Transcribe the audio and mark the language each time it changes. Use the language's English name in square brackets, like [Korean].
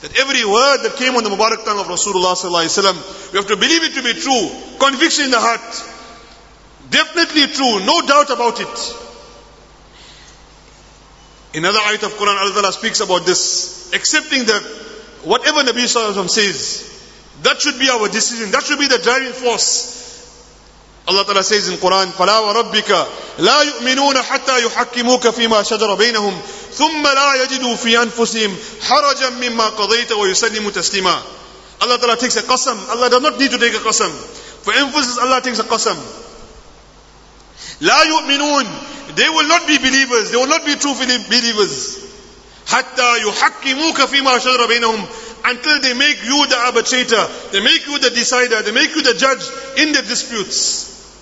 [English] That every word that came on the Mubarak tongue of Rasulullah Sallallahu Alaihi Wasallam, we have to believe it to be true. Conviction in the heart. Definitely true. No doubt about it. Another ayat of Quran, Allah Ta'ala speaks about this. Accepting that whatever Nabi Sallallahu Alaihi Wasallam says, that should be our decision. That should be the driving force. Allah Ta'ala says in Quran, [Arabic] فَلَا وَرَبِّكَ لَا يُؤْمِنُونَ حَتَّى يُحَكِّمُوكَ فِي مَا شَجَرَ بَيْنَهُمْ ثُمَّ لَا يَجِدُوا فِي أَنفُسِهِمْ حَرَجًا مِمَّا قَضَيْتَ وَيُسَلِّمُ تَسْلِيمًا. [English] Allah Ta'ala takes a qasam. Allah does not need to take a qasam. For emphasis, Allah takes a qasam. [Arabic] لَا يُؤْمِنُونَ. [English] They will not be believers. They will not be true believers. [Arabic] حَتَّى يُحَكِّمُوكَ فِي مَا شَجَرَ بَيْنَهُمْ. [English] Until they make you the arbitrator, they make you the decider, they make you the judge in the disputes.